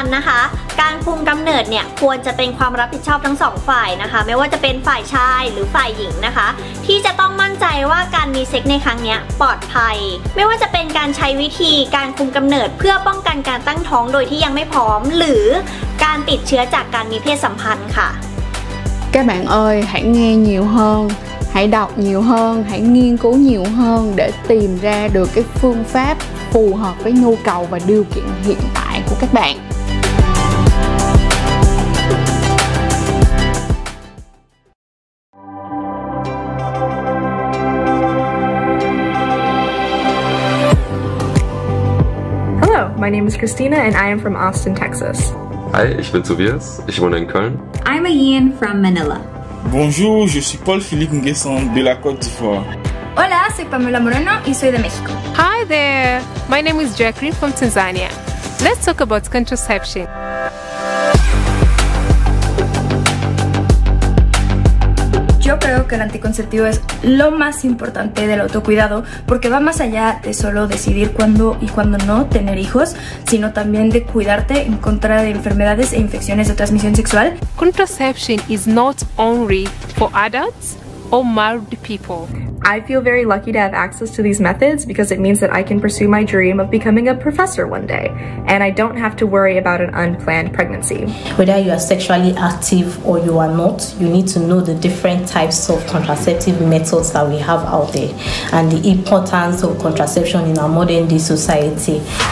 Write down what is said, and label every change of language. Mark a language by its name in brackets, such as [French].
[Thai] ญนะคะการคุมกำเนิดเนี่ยควรจะเป็นความรับผิดชอบทั้งสองฝ่ายนะคะไม่ว่าจะเป็นฝ่ายชายหรือฝ่ายหญิงนะคะที่จะต้องมั่นใจว่าการมีเซ็กซ์ในครั้งนี้ปลอดภัยไม่ว่าจะเป็นการใช้วิธีการคุมกำเนิดเพื่อป้องกันการตั้งท้องโดยที่ยังไม่พร้อมหรือการติดเชื้อจากการมีเพศสัมพันธ์ค่ะ [Vietnamese] Các bạn ơi hãy nghe nhiều hơnHãy đọc nhiều hơn, hãy nghiên cứu nhiều hơn để tìm ra được cái phương pháp phù hợp với nhu cầu và điều kiện hiện tại của các bạn. [English] Hello, my name is Christina and I am from Austin, Texas. [German] Hi, ich bin Tobias. Ich wohne in Köln. [English] I'm Ian from Manila. [French] Bonjour, je suis Paul-Philippe Nguessant de la Côte d'Ivoire. [Spanish] Hola, soy Pamela Moreno y soy de México. [English] Hi there, my name is Jacqueline from Tanzania. Let's talk about contraception. [Spanish] Yo creo que el anticonceptivo es lo más importante del autocuidado porque va más allá de solo decidir cuándo y cuándo no tener hijos, sino también de cuidarte en contra de enfermedades e infecciones de transmisión sexual. [English] Contraception is not only for adults or married people. I feel very lucky to have access to these methods because it means that I can pursue my dream of becoming a professor one day, and I don't have to worry about an unplanned pregnancy. Whether you are sexually active or you are not, you need to know the different types of contraceptive methods that we have out there and the importance of contraception in our modern day society.